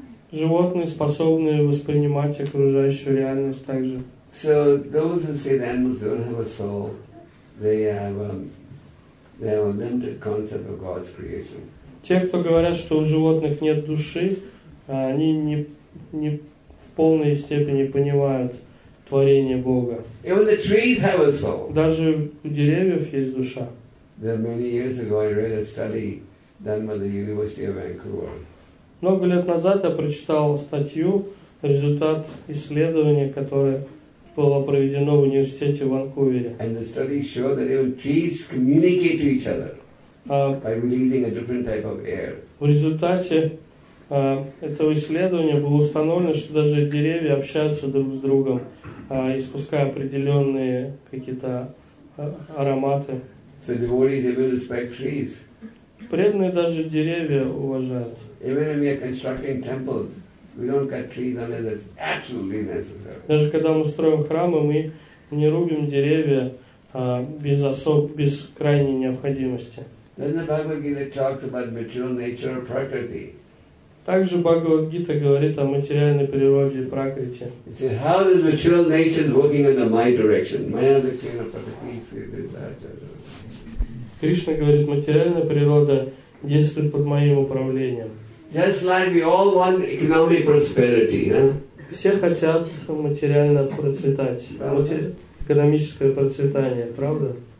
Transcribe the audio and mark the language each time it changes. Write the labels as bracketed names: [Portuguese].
[Russian] Животные способны воспринимать окружающую реальность также. [English] So those who say animals don't have a soul, they have a limited concept of God's creation. [Russian] Те, кто говорят, что у животных нет души, они не в полной степени понимают творение Бога. [English] Even the trees have a soul. [Russian] Даже у деревьев есть душа. [English] Many years ago, I read a study done by the University of Vancouver. [Russian] Много лет назад я прочитал статью, результат исследования, которое было проведено в университете в Ванкувере. [English] And the study showed that even trees communicate to each other by breathing a different type of air. [Russian] В результате этого исследования было установлено, что даже деревья общаются друг с другом, испуская определенные какие-то ароматы. [English] So devotees even respect trees. [Russian] Преданные даже деревья уважают. [English] Even when we are constructing temples, we don't cut trees unless it's absolutely necessary. [Russian] Даже когда мы строим храмы, мы не рубим деревья без крайней необходимости. [English] Then the Bhagavad Gita talks about material nature of prakriti. [Russian] Также Бхагавад Гита говорит о материальной природе пракрити. [English] It says, how is material nature working under my direction? Maya dakshina prakriti sridhisajara. [Russian] Кришна говорит, материальная природа действует под моим управлением. [English] Just like we all want economic prosperity, huh? [Russian] Все хотят материально процветать, экономическое процветание, правда?